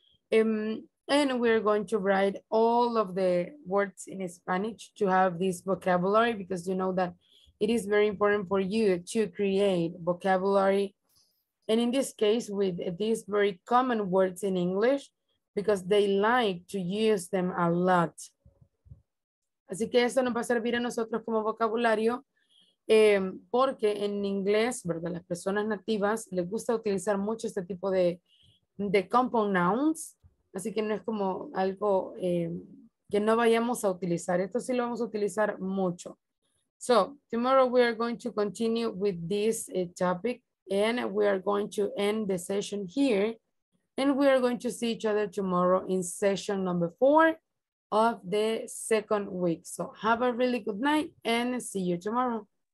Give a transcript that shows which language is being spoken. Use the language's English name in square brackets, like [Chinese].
[English] And we're going to write all of the words in Spanish to have this vocabulary, because you know that it is very important for you to create vocabulary. And in this case, with these very common words in English, because they like to use them a lot. [Spanish] Así que esto nos va a servir a nosotros como vocabulario, porque en inglés, ¿verdad? Las personas nativas les gusta utilizar mucho este tipo de compound nouns. Así que no es como algo que no vayamos a utilizar. Esto sí lo vamos a utilizar mucho. [English] So, tomorrow we are going to continue with this topic, and we are going to end the session here, and we are going to see each other tomorrow in session number 4 of the second week. So, have a really good night and see you tomorrow.